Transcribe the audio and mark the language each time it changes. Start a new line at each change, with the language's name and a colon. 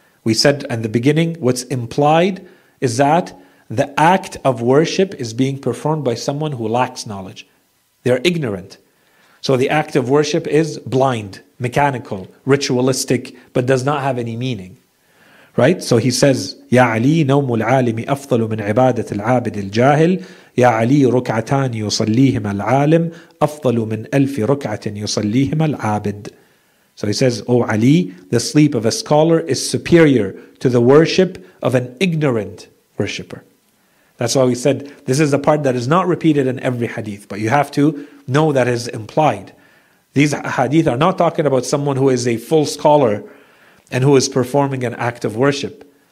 English: We said in the beginning, what's implied is that the act of worship is being performed by someone who lacks knowledge. They're ignorant. So the act of worship is blind, mechanical, ritualistic, but does not have any meaning. Right? So he says,
Arabic: Ya Ali, نوم العالم أفضل من عبادة العابد الجاهل. يا علي ركعتان يصليهما العالم أفضل من ألف ركعة يصليهما العابد.
English: So he says, O Ali, the sleep of a scholar is superior to the worship of an ignorant worshipper. That's why we said, this is the part that is not repeated in every hadith, but you have to know that is implied. These hadith are not talking about someone who is a full scholar and who is performing an act of worship.